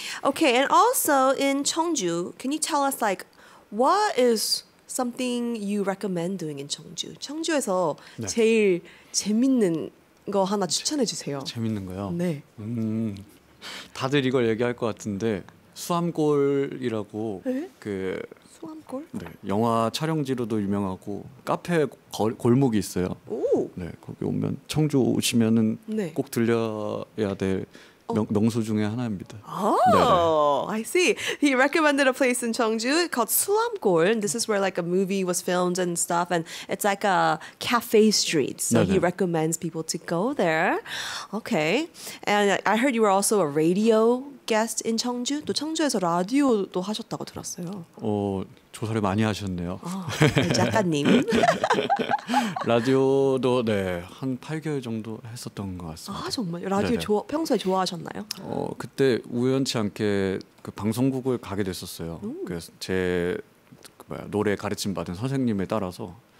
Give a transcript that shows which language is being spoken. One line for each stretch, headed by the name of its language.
English: Okay, and also in Cheongju, can you tell us like, what is something you recommend doing in Cheongju?
Korean: 청주에서 네. 제일 재밌는 거 하나 추천해 주세요. 재밌는 거요? 네. 다들 이걸 얘기할 것 같은데 수암골이라고 에? 그 수암골? 네, 영화 촬영지로도 유명하고 카페 골목이 있어요. 오. 네, 거기 오면 청주 오시면은 네. 꼭 들려야 될 명소 중에 하나입니다. 오, 네네.
English: I see. He recommended a place in Cheongju called 수암골. This is where like a movie was filmed and stuff, and it's like a cafe street. So
Korean: 네네.
English: he recommends people to go there. Okay. And I heard you were also a radio guest in Cheongju.
Korean: 또 청주에서 라디오도 하셨다고 들었어요. 조사를 많이 하셨네요. 작가님. 라디오도 네, 한 8개월 정도 했었던 것 같습니다. 아, 정말요? 라디오 평소에 좋아하셨나요? 그때 우연치 않게 그 방송국을 가게 됐었어요. 그래서 제 노래 가르침 받은 선생님에 따라서